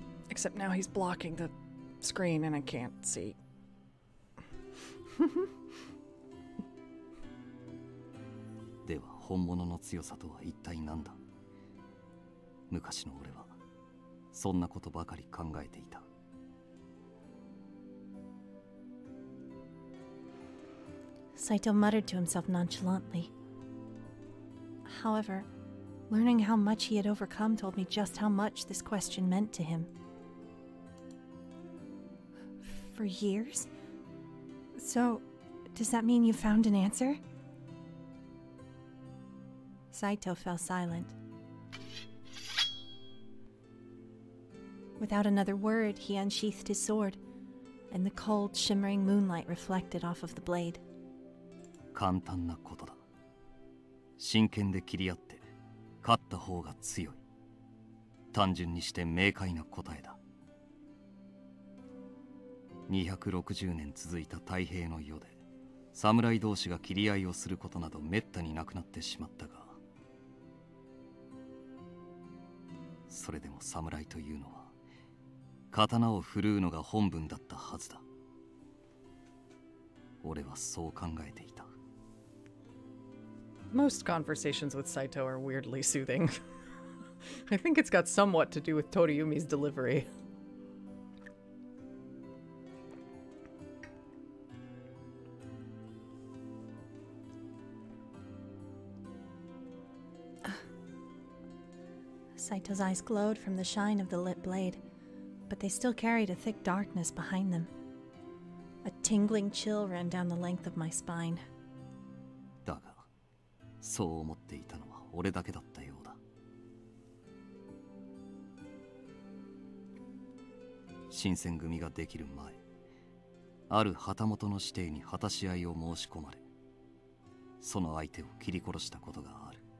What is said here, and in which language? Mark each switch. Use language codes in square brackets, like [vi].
[en] Except now he's blocking the screen and I can't see. [ja] では本物の強さとは一体何だ。昔の俺はそんなことばかり考えていた。 [en] Saito muttered to himself nonchalantly. However, learning how much he had overcome told me just how much this question meant to him. For years? So, does that mean you found an answer? Saito fell silent. Without another word, he unsheathed his sword, and the cold, shimmering moonlight reflected off of the blade. [ja] 簡単なことだ。真剣で切り合って、勝った方が強い。単純にして明快な答えだ。 260年続いた太平の世で、侍同士が切り合いをすることなど滅多になくなってしまったが、それでも侍というのは刀を振るうのが本分だったはずだ。俺はそう考えていた。 [en] Most conversations with Saito are weirdly soothing. I think it's got somewhat to do with Toriyumi's delivery. Saito's eyes glowed from the shine of the lit blade, but they still carried a thick darkness behind them. A tingling chill ran down the length of my spine. [ja] だが、そう思っていたのは俺だけだったようだ。新選組ができる前、ある旗本の指定に果たし合いを申し込まれ、その相手を切り殺したことがある。